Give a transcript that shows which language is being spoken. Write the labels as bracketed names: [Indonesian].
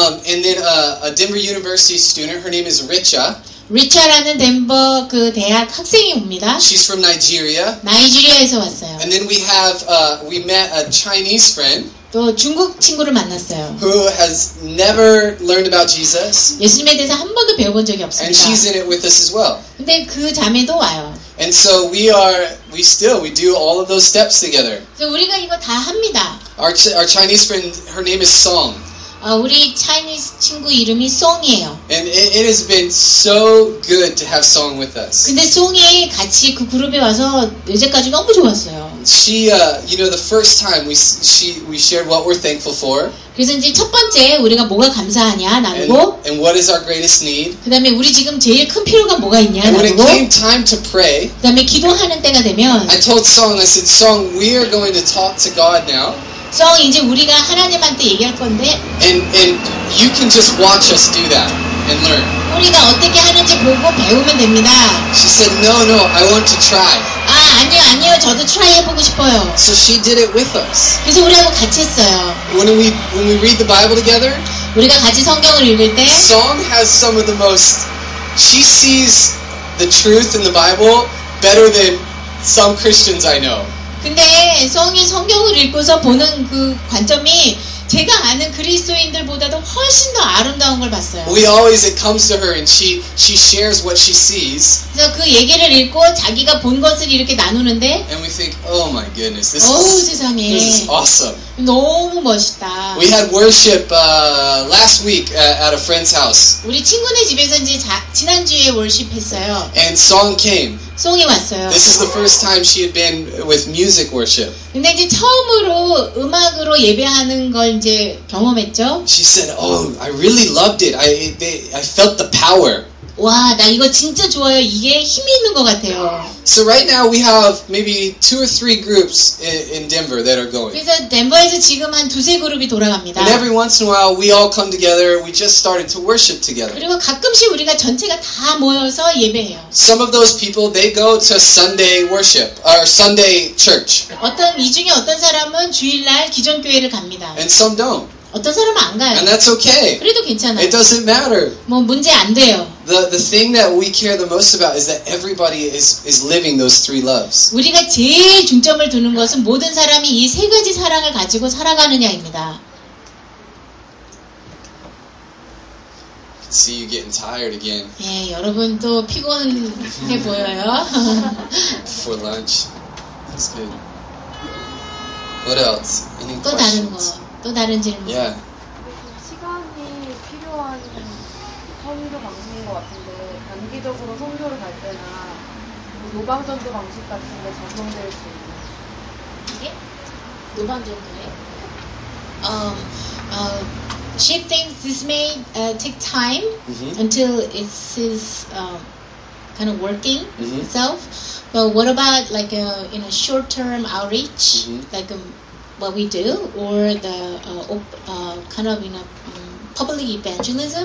[English] And then a Denver University student. Her name is Richa. [Korean] 리차라는 덴버 그 대학 학생이 옵니다. [English] She's from Nigeria. [Korean] 나이지리아에서 왔어요. [English] And then we met a Chinese friend. [Korean] 또 중국 친구를 만났어요. [English] Who has never learned about Jesus. [Korean] 예수님에 대해서 한 번도 배워본 적이 없습니다. [English] And she's in it with us as well. [Korean] 근데 그 자매도 와요. [English] And so we do all of those steps together. [Korean] 그래서 우리가 이거 다 합니다. [English] Our Chinese friend, her name is Song. [Korean] 우리 Chinese 친구 이름이 송이에요. [English] And it has been so good to have Song with us. [Korean] 근데 송이 같이 그 그룹에 와서 이제까지 너무 좋았어요. [English] She, you know, the first time we shared what we're thankful for. [Korean] 그래서 이제 첫 번째 우리가 뭐가 감사하냐 나누고. [English] And what is our greatest need? [Korean] 그다음에 우리 지금 제일 큰 필요가 뭐가 있냐 [English] and [Korean] 나누고. [English] When it came time to pray. [Korean] 그다음에 기도하는 때가 되면. [English] I told Song, I said, Song, we are going to talk to God now. [Korean] 성, 이제 우리가 하나님한테 얘기할 건데 [English] and you can just watch us do that and learn. [Korean] 우리가 어떻게 하는지 보고 배우면 됩니다. [English] She said, no, no, I want to try. [Korean] 아니요, 저도 try 해보고 싶어요. [English] So she did it with us. [Korean] 그래서 우리하고 같이 했어요. [English] When we read the Bible together, [Korean] 우리가 같이 성경을 읽을 때 [English] Song has some of the most... She sees the truth in the Bible better than some Christians I know. [Korean] 근데 성이 성경을 읽고서 보는 그 관점이 제가 아는 그리스도인들보다도 훨씬 더 아름다운 걸 봤어요. [English] We always it comes to her and she shares what she sees. [Korean] 그래서 그 얘기를 읽고 자기가 본 것을 이렇게 나누는데 [English] And we think, oh my goodness, this is awesome. [Korean] 너무 멋있다. [English] We had worship last week at a friend's house. [Korean] 우리 친구네 집에서 이제 지난주에 월십했어요. [English] And Song came. [Korean] 송이 왔어요. [English] This is the first time she had been with music worship. [Korean] 근데 이제 처음으로 음악으로 예배하는 걸 이제 경험했죠. [English] She said, "Oh, I really loved it. I felt the power." [Korean] 와, 나 이거 진짜 좋아요. 이게 힘이 있는 것 같아요. [English] So right now we have maybe two or three groups in Denver that are going. [Korean] 그래서 덴버에서 지금 한 두세 그룹이 돌아갑니다. [English] And every once in a while we all come together. We just started to worship together. [Korean] 그리고 가끔씩 우리가 전체가 다 모여서 예배해요. [English] Some of those people they go to Sunday worship or Sunday church. [Korean] 어떤 이 중에 어떤 사람은 주일날 기존 교회를 갑니다. [English] And some don't. [Korean] 어떤 사람은 안 가요. [English] And that's okay. [Korean] 그래도 괜찮아. [English] It doesn't matter. [Korean] 뭐 문제 안 돼요. [English] The thing that we care the most about is that everybody is living those three loves. [Korean] 우리가 제일 중점을 두는 것은 모든 사람이 이 세 가지 사랑을 가지고 살아가느냐입니다. [English] See you getting tired again. [Korean] 예, 여러분 또 피곤해 보여요. [English] For lunch. That's good. What else? Any questions? [Korean] 또 다른 질문. [English] Yeah. [Korean] 시간이 필요한 선교 방식인 것 같은데 단기적으로 선교를 갈 때나 노방전도 방식 같은 게 적용될 수 있는 이게? 노방전도에? [English] She thinks this may take time mm-hmm. until it is kind of working mm-hmm. itself. But what about like a you know short-term outreach, mm-hmm. like what we do, or the kind of you know public evangelism?